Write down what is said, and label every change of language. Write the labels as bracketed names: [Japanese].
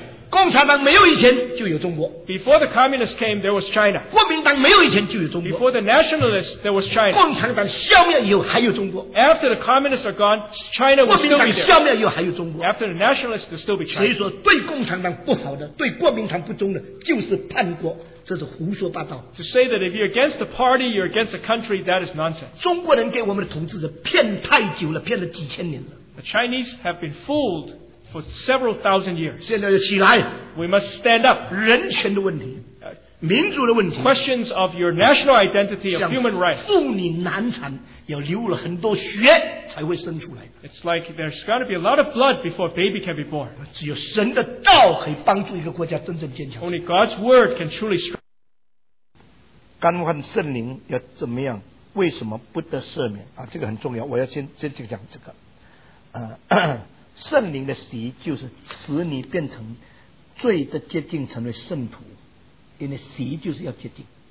[Chinese] 共产党没有以前就有中国. [English] Before the communists came, there was China. [Chinese] 国民党没有以前就有中国. [English] Before the nationalists, there was China. [Chinese] 共产党消灭以后还有中国. [English] After the communists are gone, China will still be there. [Chinese] 国民党消灭以后还有中国. [English] After the nationalists, there will still be China. [Chinese] 所以说对共产党不好的, 对国民党不忠的, 就是叛国, 这是胡说八道. [English] To say that if you're against the party, you're against the country, that is nonsense. [Chinese] 中国人给我们的统治者骗太久了, 骗了几千年了. [English] The Chinese have been fooled for several thousand years. [Chinese] 现在起来, [English] we must stand up. [Chinese] 人权的问题, 民族的问题, [English] questions of your national identity, of human rights. [Chinese] 妇女难产, 要流了很多血才会生出来, [English] it's like there's got to be a lot of blood before a baby can be born. [Chinese] 只有神的道可以帮助一个国家真正坚强, [English] only God's word can truly strengthen. [Chinese] 干旱圣灵要怎么样, 为什么不得赦免, 啊, 这个很重要, 我要先讲这个, 圣灵的洗就是使你变成罪的洁净，成为圣徒。因为洗就是要洁净。